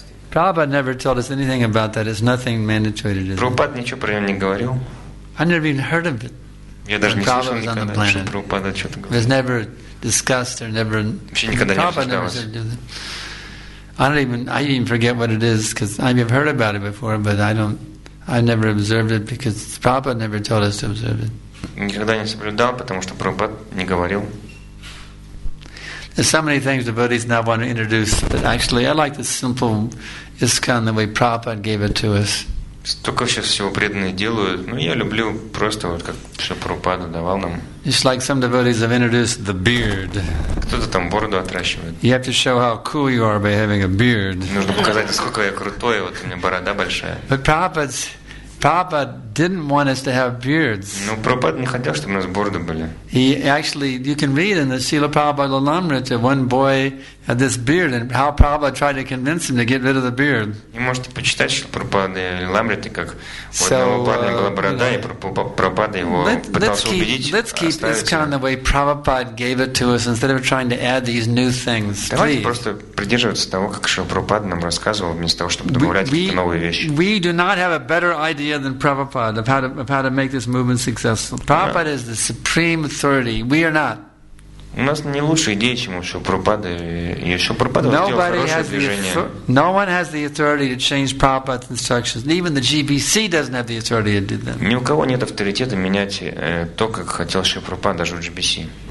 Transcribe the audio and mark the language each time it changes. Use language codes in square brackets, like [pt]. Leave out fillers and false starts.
[en] Prabhupada never told us anything about that. It's nothing mandatory to do. [ru] Prabhupada ничего про него не говорил. [en] I never even heard of it. [ru] Я даже не слышал никогда, что Прабхупада что-то говорит. [en] Was never discussed or never. [ru] Вообще никогда Prabhupada не обсуждалось. [en] I even forget what it is, because I've heard about it before, but I never observed it, because Prabhupada never told us to observe it. [ru] Никогда не соблюдал, потому что Прабхупад не говорил. [en] There's so many things devotees now want to introduce, but actually I like the simple ISKCON, the way Prabhupada gave it to us. [ru] Столько сейчас всего преданные делают, но я люблю просто вот как что Прабхупада давал нам. [en] It's like some devotees have introduced the beard. [ru] Кто-то там бороду отращивает. [en] You have to show how cool you are by having a beard. [ru] Нужно показать, насколько я крутой, вот у меня борода большая. [en] But Prabhupada's Papa didn't want us to have beards. [ru] Ну, Прабхупада не хотел, чтобы у нас бороды были. [en] He actually, you can read in the Srila Prabhupada Lilamrita, one boy had this beard, and how Prabhupada tried to convince him to get rid of the beard. [ru] И можете почитать, что Прабхупада Лилламрита, как у одного парня была борода, и Прабхупада его пытался убедить. [en] Let's keep this kind of the way Prabhupada gave it to us instead of trying to add these new things. [ru] Давайте просто придерживаться того, как Шрила Прабхупада нам рассказывал, вместо того, чтобы добавлять какие-то новые вещи. [en] We do not have a better idea than Prabhupada of how to make this movement successful. Prabhupada is the supreme authority. We are not. [ru] У нас не лучшая идея, чем у Шрилы Прабхупады. И Шрила Прабхупада сделал хорошее движение. [en] No one has the authority to change Prabhupada's instructions. Even the GBC doesn't have the authority to do that. [ru] Ни у кого нет авторитета менять то, как хотел Шрила Прабхупада, даже у GBC.